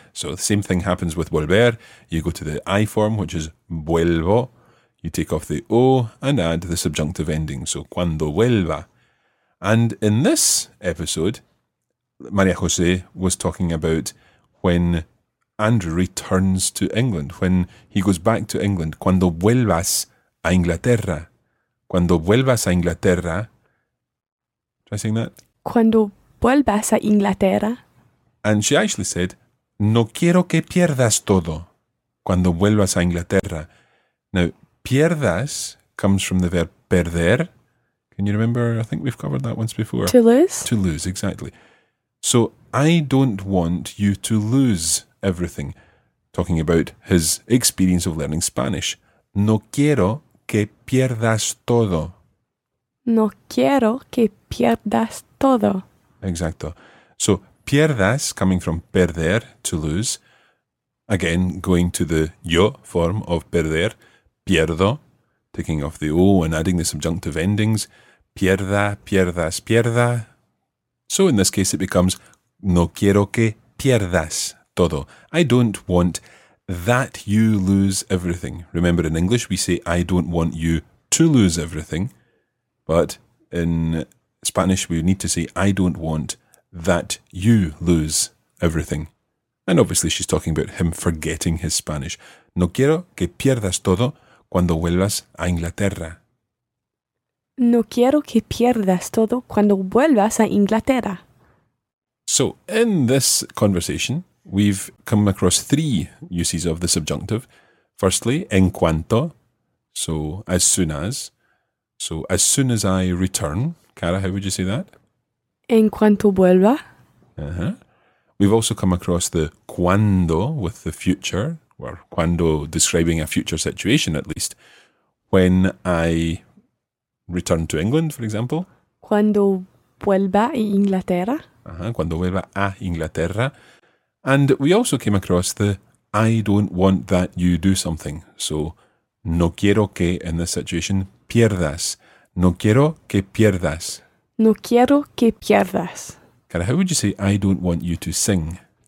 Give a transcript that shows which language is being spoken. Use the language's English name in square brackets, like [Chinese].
[English] So the same thing happens with volver. You go to the I form, which is vuelvo. You take off the O and add the subjunctive ending. So [Spanish] cuando vuelva. [English] And in this episode, María José was talking about when Andrew returns to England, when he goes back to England. [Spanish] Cuando vuelvas a Inglaterra. Cuando vuelvas a Inglaterra. [English] Try saying that. [Spanish] Cuando vuelvas a Inglaterra. [English] And she actually said, [Spanish] no quiero que pierdas todo. Cuando vuelvas a Inglaterra. [English] Now, pierdas comes from the verb perder. Can you remember? I think we've covered that once before. To lose. To lose, exactly. So, I don't want you to lose everything, talking about his experience of learning Spanish. [Spanish] No quiero que pierdas todo. No quiero que pierdas todo. [English] Exacto. So, pierdas, coming from perder, to lose. Again, going to the yo form of perder. Pierdo, taking off the O and adding the subjunctive endings. [Spanish] Pierda, pierdas, pierda. [English] So, in this case, it becomes [Spanish] no quiero que pierdas todo. [English] I don't want that you lose everything. Remember, in English, we say, I don't want you to lose everything. But in Spanish, we need to say, I don't want that you lose everything. And obviously, she's talking about him forgetting his Spanish. [Spanish] No quiero que pierdas todo cuando vuelvas a Inglaterra. No quiero que pierdas todo cuando vuelvas a Inglaterra. [English] So, in this conversation, we've come across three uses of the subjunctive. Firstly, [Spanish] en cuanto, [English] so as soon as. So as soon as I return. Cara, how would you say that? [Spanish] En cuanto vuelva. [English] Uh-huh. We've also come across the cuando with the future, or cuando describing a future situation at least. When I return to England, for example. [Spanish] Cuando vuelva a Inglaterra. Cuando vuelva a Inglaterra. [English] And we also came across the I don't want that you do something. So, [Spanish] no quiero que, [English] in this situation, pierdas. [Spanish] No quiero que pierdas. No quiero que pierdas. [English] Cara, how would you say I don't want you to sing?